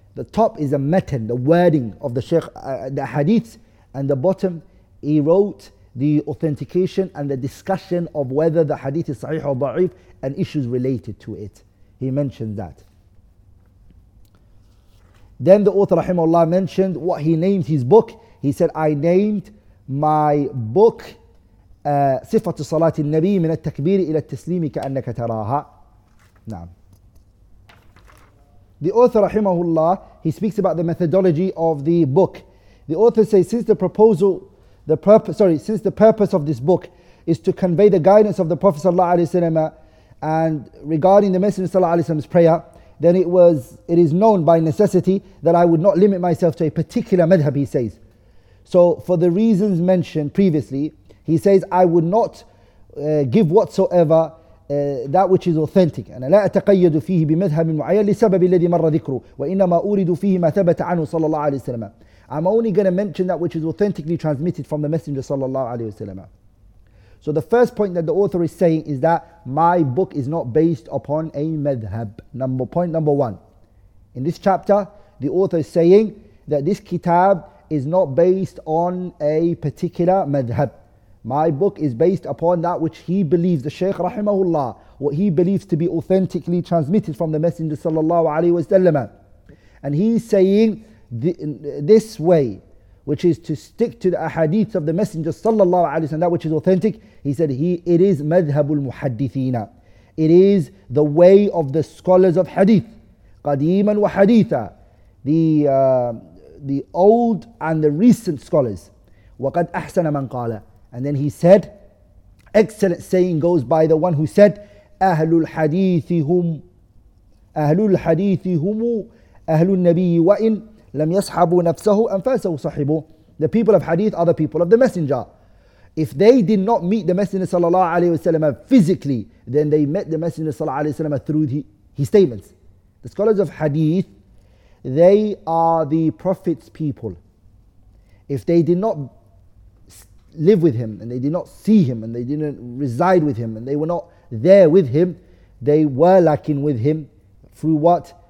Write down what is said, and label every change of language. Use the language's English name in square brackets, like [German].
[English] The top is a matan, the wording of the Shaykh, the hadith, and the bottom, he wrote the authentication and the discussion of whether the hadith is sahih or da'if and issues related to it. He mentioned that. Then the author rahimahullah mentioned what he named his book. He said, I named my book صفة صلاة النبي من التكبير إلى التسليم كأنك تراها. [Arabic] نعم. [English] The author rahimahullah, he speaks about the methodology of the book. The author says, since the purpose of this book is to convey the guidance of the Prophet sallallahu alaihi wasallam and regarding the Messenger sallallahu alaihi wasallam's prayer, then it is known by necessity that I would not limit myself to a particular madhab. He says, so for the reasons mentioned previously, he says, I would not give whatsoever that which is authentic. [Arabic] أنا لا أتقيد فيه بمذهب معين لسبب الذي مر ذكره وإنما أورد فيه ما ثبت عنه صلى الله عليه وسلم. [English] I'm only going to mention that which is authentically transmitted from the Messenger صلى الله عليه وسلم. So the first point that the author is saying is that my book is not based upon a madhab. Point number one. In this chapter, the author is saying that this kitab is not based on a particular madhab. My book is based upon that which he believes, the Shaykh rahimahullah, what he believes to be authentically transmitted from the Messenger sallallahu alaihi wasallam. And he's saying this way, which is to stick to the ahadith of the Messenger sallallahu alaihi wasallam, that which is authentic. He said, it is madhabul muhaddithina. It is the way of the scholars of hadith. [Arabic] Qadiman wa haditha. [English] The old and the recent scholars. [Arabic] وَقَدْ أَحْسَنَ مَنْ قَالَ. [English] And then he said, excellent saying goes by the one who said, [Arabic] أَهْلُ الْحَدِيثِ هُمْ أهلُ الحديث هم أهلُ النبي وإن لم يصحبوا نفسه أنفاسه صحبوا. [English] The people of hadith are the people of the messenger. If they did not meet the messenger sallallahu alayhi wa sallam physically, then they met the messenger sallallahu alayhi wa sallam through his statements. The scholars of hadith, they are the prophet's people. If they did not live with him, and they did not see him, and they didn't reside with him, and they were not there with him, they were lacking with him through what?